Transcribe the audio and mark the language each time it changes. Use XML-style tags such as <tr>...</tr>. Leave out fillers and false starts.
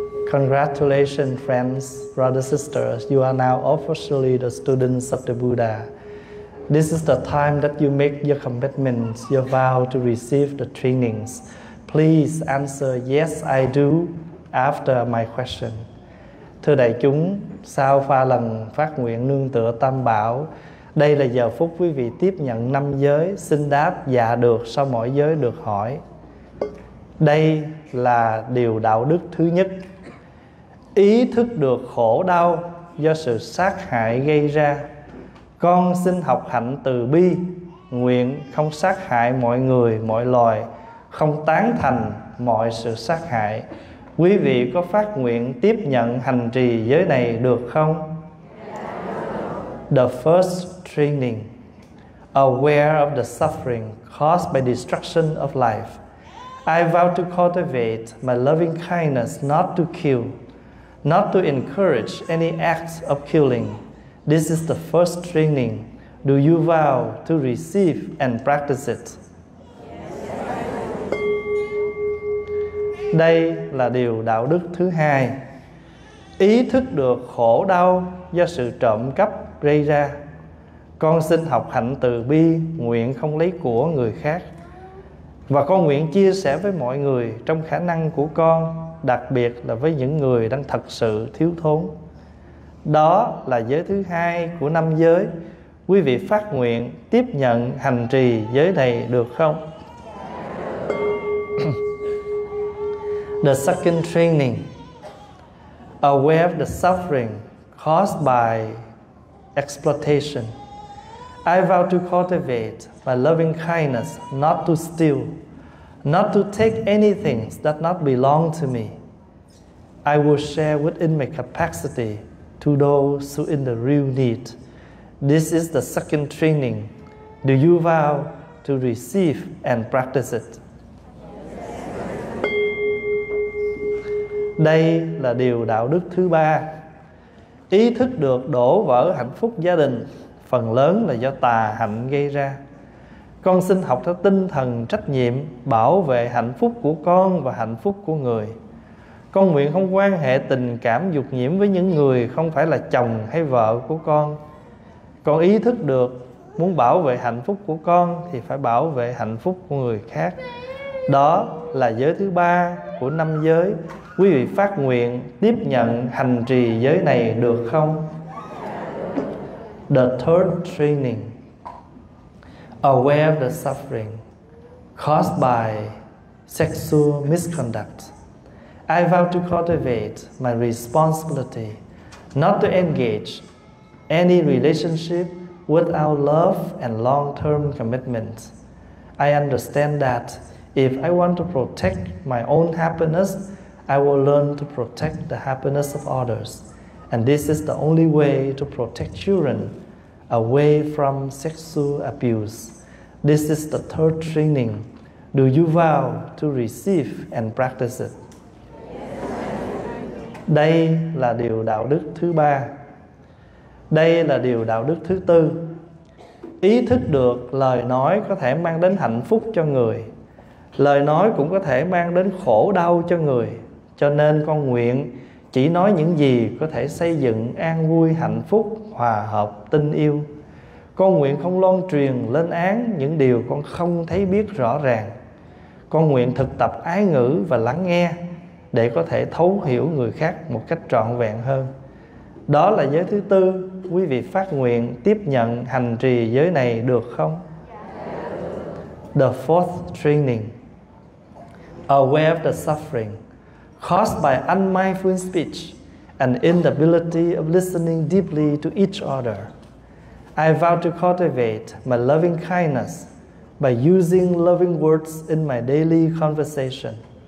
<en>Congratulations, friends, brothers, sisters. You are now officially the students of the Buddha. This is the time that you make your commitments, your vow to receive the trainings. Please answer, yes, I do, after my question.</en> <vi>Thưa đại chúng, sau pha lần phát nguyện nương tựa Tam Bảo, đây là giờ phút quý vị tiếp nhận năm giới, xin đáp dạ được sau mỗi giới được hỏi. Đây là điều đạo đức thứ nhất. ý thức được khổ đau do sự sát hại gây ra. Con xin học hạnh từ bi, nguyện không sát hại mọi người, mọi loài, không tán thành mọi sự sát hại. Quý vị có phát nguyện tiếp nhận hành trì giới này được không?</vi> <en>The first training: aware of the suffering caused by destruction of life. I vow to cultivate my loving kindness not to kill, not to encourage any acts of killing. This is the first training. Do you vow to receive and practice it?</en> <vi>Đây là điều đạo đức thứ hai. Ý thức được khổ đau do sự trộm cắp gây ra. Con xin học hạnh từ bi, nguyện không lấy của người khác. Và con nguyện chia sẻ với mọi người trong khả năng của con, đặc biệt là với những người đang thật sự thiếu thốn. Đó là giới thứ hai của năm giới. Quý vị phát nguyện tiếp nhận hành trì giới này được không?</vi> <en>The second training: aware of the suffering caused by exploitation. I vow to cultivate my loving kindness not to steal, not to take anything that not belong to me. I will share within my capacity to those who in the real need. This is the second training. Do you vow to receive and practice it?</en> <vi>Đây là điều đạo đức thứ ba. Ý thức được đổ vỡ hạnh phúc gia đình phần lớn là do tà hạnh gây ra. Con xin học theo tinh thần trách nhiệm bảo vệ hạnh phúc của con và hạnh phúc của người. Con nguyện không quan hệ tình cảm dục nhiễm với những người không phải là chồng hay vợ của con. Con ý thức được muốn bảo vệ hạnh phúc của con thì phải bảo vệ hạnh phúc của người khác. Đó là giới thứ ba của năm giới. Quý vị phát nguyện tiếp nhận hành trì giới này được không?</vi> <en>The third training: aware of the suffering caused by sexual misconduct. I vow to cultivate my responsibility not to engage any relationship without love and long-term commitment. I understand that if I want to protect my own happiness, I will learn to protect the happiness of others. And this is the only way to protect children away from sexual abuse. This is the third training. Do you vow to receive and practice it?</en> <vi>Đây là điều đạo đức thứ ba. Đây là điều đạo đức thứ tư. Ý thức được lời nói có thể mang đến hạnh phúc cho người, lời nói cũng có thể mang đến khổ đau cho người. Cho nên con nguyện chỉ nói những gì có thể xây dựng an vui, hạnh phúc, hòa hợp, tình yêu. Con nguyện không loan truyền lên án những điều con không thấy biết rõ ràng. Con nguyện thực tập ái ngữ và lắng nghe để có thể thấu hiểu người khác một cách trọn vẹn hơn. Đó là giới thứ tư. Quý vị phát nguyện tiếp nhận hành trì giới này được không?</vi> <en>The fourth training: aware of the suffering caused by unmindful speech and inability of listening deeply to each other. I vow to cultivate my loving kindness by using loving words in my daily conversation.</en>